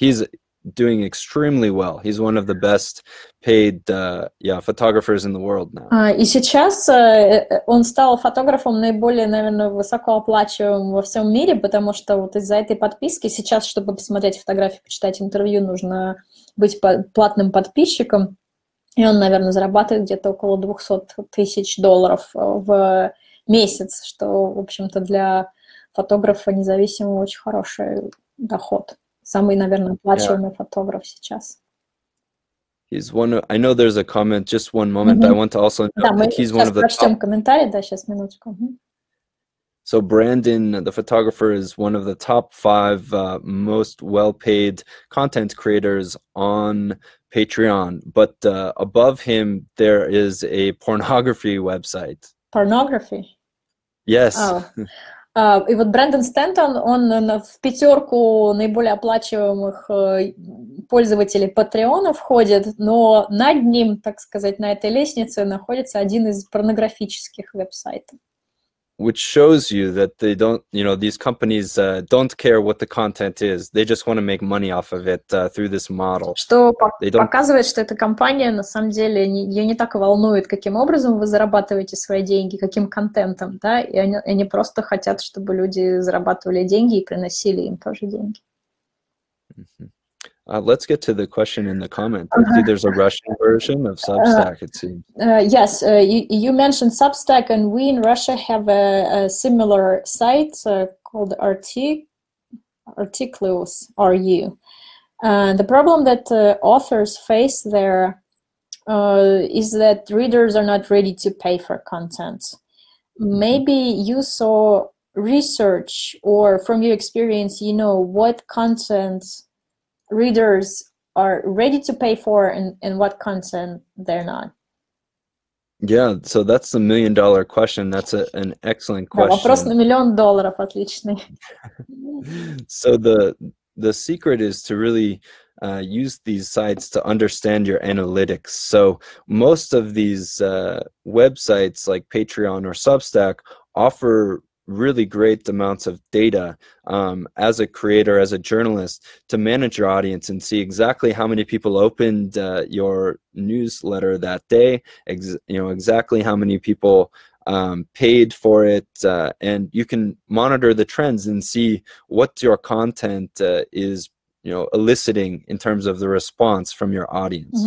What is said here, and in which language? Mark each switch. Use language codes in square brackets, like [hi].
[en] He's doing extremely well. He's one of the best paid photographers in the world now. [ru] И сейчас он стал фотографом наиболее, наверное, высокооплачиваемым во всем мире, потому что вот из-за этой подписки сейчас, чтобы посмотреть фотографии, почитать интервью, нужно быть платным подписчиком. И он, наверное, зарабатывает где-то около 200 тысяч долларов в месяц, что, в общем-то, для фотографа независимого очень хороший доход. Самый, наверное, оплачиваемый фотограф сейчас. [en] He's one of, I know there's a comment, just one moment, I want to also know that he's one of the top... [ru] Да, мы сейчас прочтем комментарий, да, сейчас, минуточку. [en] So Brandon, the photographer, is one of the top five most well-paid content creators on Patreon, but above him there is a pornography website. Pornography? Yes. Oh. [ru] И вот Брэндон Стэнтон, он в пятерку наиболее оплачиваемых пользователей Патреона входит, но над ним, так сказать, на этой лестнице находится один из порнографических веб-сайтов. [en] Which shows you that they don't, you know, these companies don't care what the content is. They just want to make money off of it through this model. [ru] Что показывает, что эта компания на самом деле ее не так волнует, каким образом вы зарабатываете свои деньги, каким контентом, да? И они просто хотят, чтобы люди зарабатывали деньги и приносили им тоже деньги. [en] Let's get to the question in the comment. There's a Russian version of Substack, it seems. Yes, you mentioned Substack, and we in Russia have a similar site called Articles, RU. The problem that authors face there is that readers are not ready to pay for content. Maybe you saw research, or from your experience, you know, what content readers are ready to pay for and what content they're not. Yeah, so that's the $1 million question. That's an excellent question. [ru] Вопрос на миллион долларов, отличный. [en] So the secret is to really use these sites to understand your analytics. So most of these websites like Patreon or Substack offer really great amounts of data as a creator, as a journalist, to manage your audience and see exactly how many people opened your newsletter that day, exactly how many people paid for it, and you can monitor the trends and see what your content is, eliciting in terms of the response from your audience.